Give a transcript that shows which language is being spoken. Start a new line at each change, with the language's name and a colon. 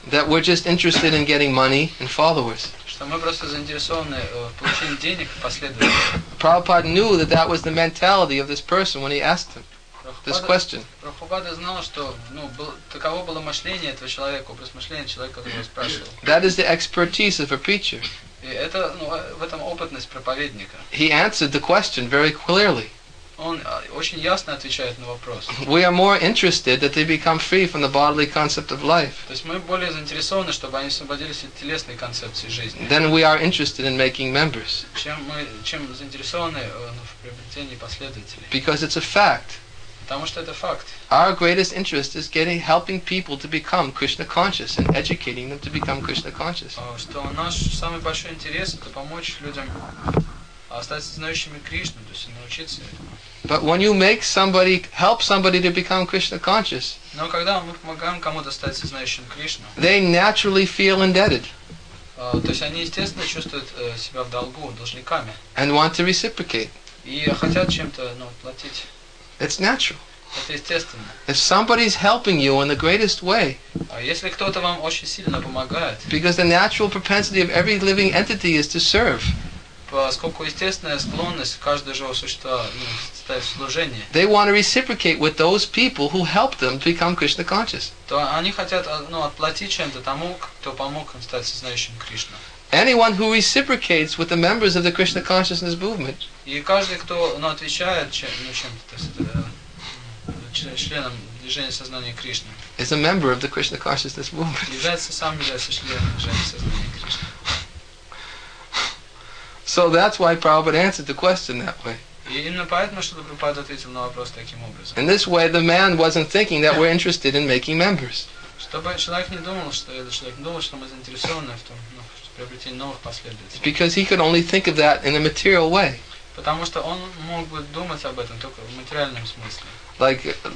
English: That we're just interested in getting money and followers.
Russian: Что мы просто заинтересованы в получении денег и последователей.
English: Prabhupada knew that that was the mentality of this person when he asked him this question.
Russian: Прабхупада знал, что, ну, таково было мышление этого человека, образ мышления человека, который спрашивал.
English: That is the expertise of a preacher.
Russian: И это, ну, в этом опытность проповедника.
English: He answered the question very clearly.
Russian: Он очень ясно отвечает на вопрос.
English: We are more interested that they become free from the bodily concept of life.
Russian: То есть мы более заинтересованы, чтобы они освободились от телесной концепции жизни.
English: Then we are interested in making members.
Russian: Чем заинтересованы в приобретении последователей?
English: Because it's a fact.
Russian: Потому что это факт.
English: Our greatest interest is helping people to become Krishna conscious and educating them to become Krishna conscious.
Russian: Что наш самый большой интерес — это помочь людям остаться знающими Кришну, то есть научиться этому.
English: But when you help somebody to become Krishna conscious,
Russian: но когда мы помогаем кому-то стать знающим Кришну,
English: they naturally feel indebted.
Russian: То есть они естественно чувствуют себя в долгу, должниками.
English: And want to reciprocate.
Russian: И хотят чем-то, ну, платить.
English: It's natural.
Russian: Это естественно.
English: If somebody's helping you in the greatest way,
Russian: если кто-то вам очень сильно помогает,
English: because the natural propensity of every living entity is to serve.
Russian: Поскольку естественная склонность каждого живого существа, ну, стать в служении.
English: They want to reciprocate with those people who help them to become Krishna conscious.
Russian: То они хотят, ну, отплатить чем-то тому, кто помог им стать сознающим Кришну.
English: Anyone who reciprocates with the members of the Krishna consciousness movement.
Russian: И каждый, кто, ну, отвечает чем-то, то есть, членам движение сознания Кришны.
English: Is a member of the Krishna consciousness movement.
Russian: Является сам являющийся членом движения сознания Кришны.
English: So that's why Prabhupada answered the question that way.
Russian: И именно поэтому, что Прабхупада ответил на вопрос таким образом.
English: In this way, the man wasn't thinking that we're interested in making members.
Russian: Чтобы человек не думал, что этот человек думал, что мы заинтересованы в том, ну, чтобы приобрести новых последователей.
English: Because he could only think of that in a material way.
Russian: Потому что он мог бы думать об этом только в материальном смысле.